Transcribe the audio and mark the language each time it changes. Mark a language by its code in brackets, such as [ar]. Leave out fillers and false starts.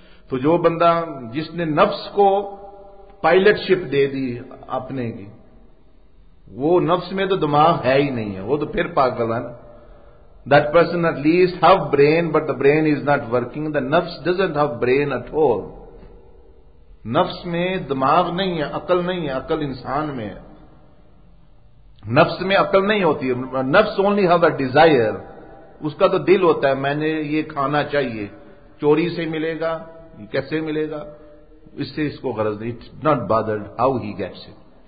[ur] To jo banda jisne nafs ko pilotship de di apne ki, وہ نفس میں تو دماغ ہے ہی نہیں ہے, وہ تو پھر پاگل ہے نا. [en] That person at least have brain but the brain is not working, the نفس doesn't have brain at all. [ur] نفس میں دماغ نہیں ہے, عقل نہیں ہے, عقل انسان میں ہے, نفس میں عقل نہیں ہوتی ہے. نفس [en] only have a desire, [ur] اس کا تو دل ہوتا ہے, میں نے یہ کھانا چاہیے, چوری سے ملے گا, کیسے ملے گا, اس سے اس کو غرض نہیں, [en] It not bothered how he gets it.